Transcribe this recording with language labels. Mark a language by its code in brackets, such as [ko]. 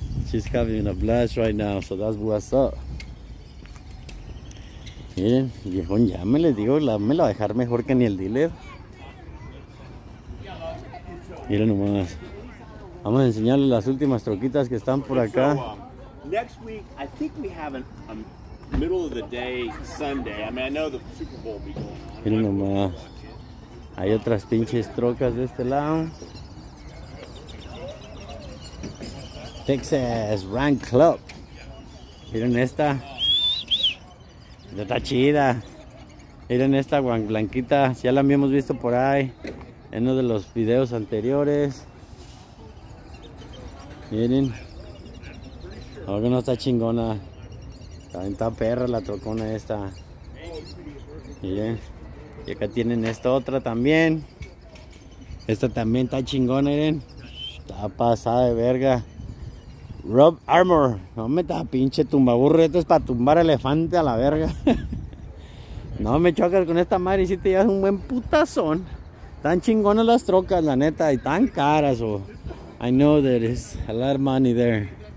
[en] She's having a blast right now, so that's what's up. [es] Miren, viejón, ya me les digo, me la va a dejar mejor que ni el dealer. Miren nomás. Vamos a enseñarles las últimas troquitas que están por acá. [en] Next week, I think we have a middle of the day Sunday. I mean, I know the Super Bowl will be going. [es] Miren nomás. Hay otras pinches trocas de este lado. Texas Rank Club. Miren esta. Está chida. Miren esta blanquita. Ya la habíamos visto por ahí en uno de los videos anteriores. Miren. Ahora no está chingona. También está perra la trocona esta. Miren. Y acá tienen esta otra también. Esta también está chingona, miren. Está pasada de verga. Rob Armor. No me da pinche tumbaburro. Esto es para tumbar elefante a la verga. No me choques con esta madre. Y si te llevas un buen putazón. Están chingonas las trocas, la neta. Y tan caras. So. [en] I know there is a lot of money there.